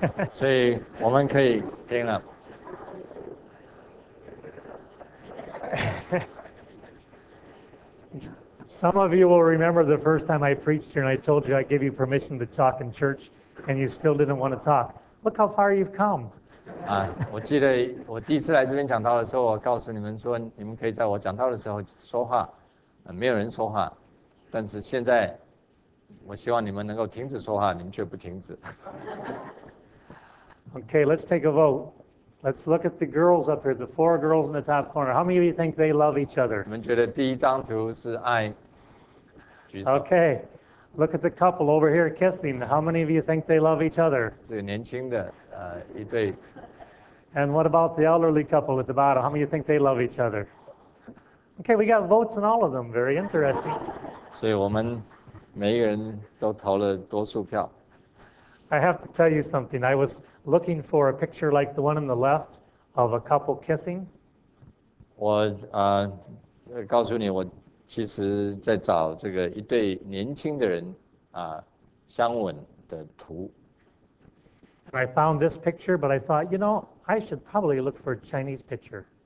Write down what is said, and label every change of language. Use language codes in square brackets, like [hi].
[zh] 所以我们可以停了。 [en] Some of you will remember the first time I preached here and I told you I gave you permission to talk in church and you still didn't want to talk. Look how far you've come. [zh] 我记得我第一次来这边讲道的时候，我告诉你们说你们可以在我讲道的时候说话，没有人说话，但是现在我希望你们能够停止说话，你们却不停止。 [en] Okay, let's take a vote. Let's look at the girls up here, the four girls in the top corner. How many of you think they love each other? [zh] 你们觉得第一张图是爱？ [en] Okay, look at the couple over here kissing. How many of you think they love each other? [zh] 这个年轻的一对。 [en] And what about the elderly couple at the bottom? How many of you think they love each other? Okay, we got votes in all of them. Very interesting. [zh] 所以我们每一个人都投了多数票。 [en] I have to tell you something. I was looking for a picture like the one on the left of a couple kissing. [zh] 我告诉你我。其实在找这个一对年轻的人相吻的图。 [en] I found this picture, but I thought, you know, I should probably look for a Chinese picture.